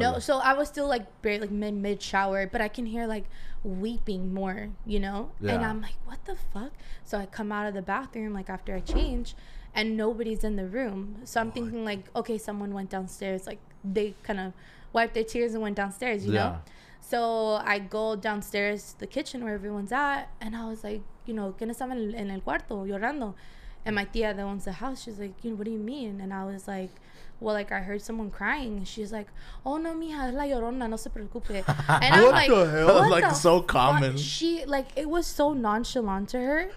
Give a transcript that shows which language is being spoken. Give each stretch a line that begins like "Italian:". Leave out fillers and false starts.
English: No, so I was still, like, barely, like, mid shower. But I can hear, like, weeping more, you know? Yeah. And I'm like, what the fuck? So I come out of the bathroom, like, after I change. And nobody's in the room. So I'm thinking, like, okay, someone went downstairs. Like, they kind of wiped their tears and went downstairs, you know? So I go downstairs to the kitchen where everyone's at. And I was like, you know,
Spanish: ¿quién estaba en el cuarto llorando?
English: And my tía that owns the house, she's like, you know, what do you mean? And I was like, well, like, I heard someone crying. And she's like, oh,
Spanish: no, mija, es la llorona, no se preocupe.
English: And I'm like, what the hell? Like, so common. She, like, it was so nonchalant to her.